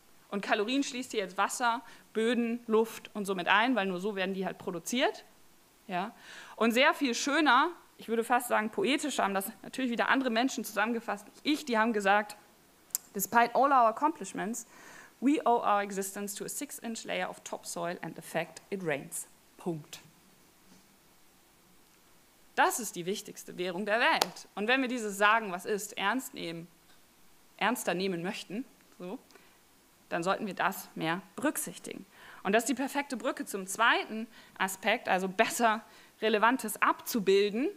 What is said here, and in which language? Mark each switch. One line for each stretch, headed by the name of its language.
German: Und Kalorien schließt hier jetzt Wasser, Böden, Luft und so mit ein, weil nur so werden die halt produziert. Ja? Und sehr viel schöner, ich würde fast sagen poetischer, haben das natürlich wieder andere Menschen zusammengefasst, die haben gesagt,
English: despite all our accomplishments, We owe our existence to a 6-inch layer of topsoil and the fact it rains.
German: Punkt. Das ist die wichtigste Währung der Welt. Und wenn wir dieses Sagen, was ist, ernster nehmen möchten, so, dann sollten wir das mehr berücksichtigen. Und das ist die perfekte Brücke zum zweiten Aspekt, also besser Relevantes abzubilden.